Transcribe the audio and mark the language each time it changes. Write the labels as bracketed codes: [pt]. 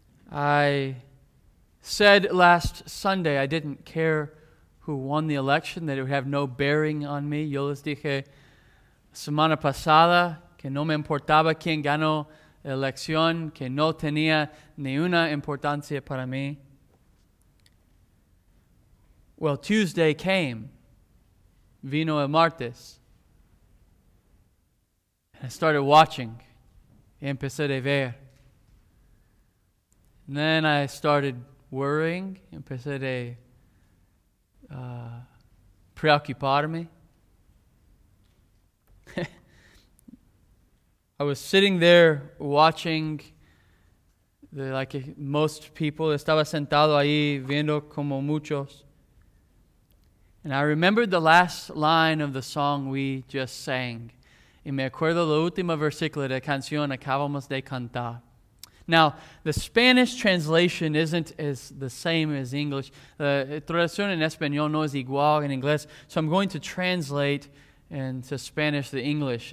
[en] I said last Sunday I didn't care who won the election, that it would have no bearing on me. [es] Yo les dije semana pasada que no me importaba quién ganó la elección, que no tenía ni una importancia para mí. [en] Well, Tuesday came. [es] Vino el martes. [en] I started watching. [es] Empecé a ver. [en] And then I started worrying. [es] Empecé a preocuparme. [en] I was sitting there watching like most people. [es] Estaba sentado ahí viendo como muchos. [en] And I remembered the last line of the song we just sang. [es] Y me acuerdo la última versículo de la canción acabamos de cantar. [en] Now, the Spanish translation isn't as the same as English. The [es] traducción en español no es igual en inglés. [en] So I'm going to translate into Spanish the English.